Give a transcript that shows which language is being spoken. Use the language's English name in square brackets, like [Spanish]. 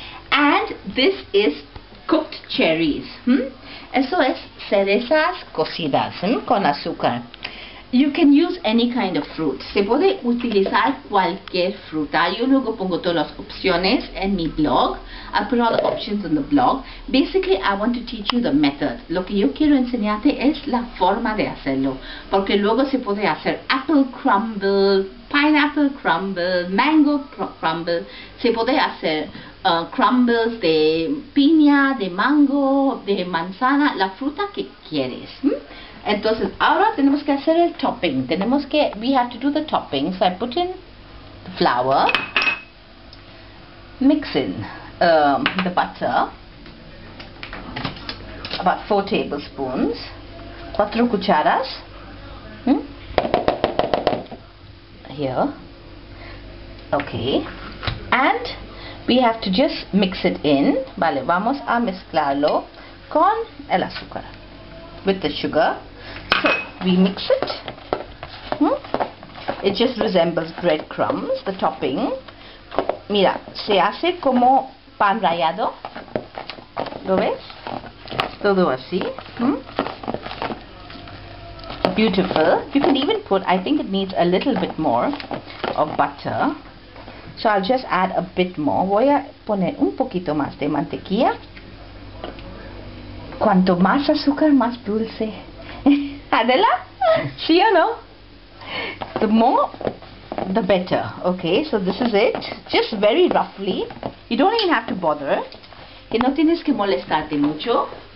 [English] And this is cooked cherries. Hmm? [Spanish] Eso es cerezas cocidas, hmm? Con azúcar. [English] You can use any kind of fruit. [Spanish] Se puede utilizar cualquier fruta. Yo luego pongo todas las opciones en mi blog. [English] I put all the options on the blog. Basically, I want to teach you the method. [Spanish] Lo que yo quiero enseñarte es la forma de hacerlo. Porque luego se puede hacer [English] apple crumble, pineapple crumble, mango crumble. [Spanish] Se puede hacer crumbles de piña, de mango, de manzana, la fruta que quieres. ¿Mm? Entonces, ahora tenemos que hacer el topping. Tenemos que, [English] we have to do the topping. So I put in the flour, mix in the butter, about 4 tablespoons, [Spanish] 4 cucharas, [English] here, okay, and we have to just mix it in. [Spanish] Vale, vamos a mezclarlo con el azúcar, [English] with the sugar. So we mix it. It just resembles breadcrumbs, the topping. [Spanish] Mira, se hace como pan rallado. ¿Lo ves? Todo así. [English] Beautiful. You can even put, I think it needs a little bit more of butter. So I'll just add a bit more. [Spanish] Voy a poner un poquito más de mantequilla. Cuanto más azúcar, más dulce. Adela, sí o no? [English] The more, the better. Okay, so this is it. Just very roughly. You don't even have to bother. [Spanish] Que no tienes que molestarte mucho.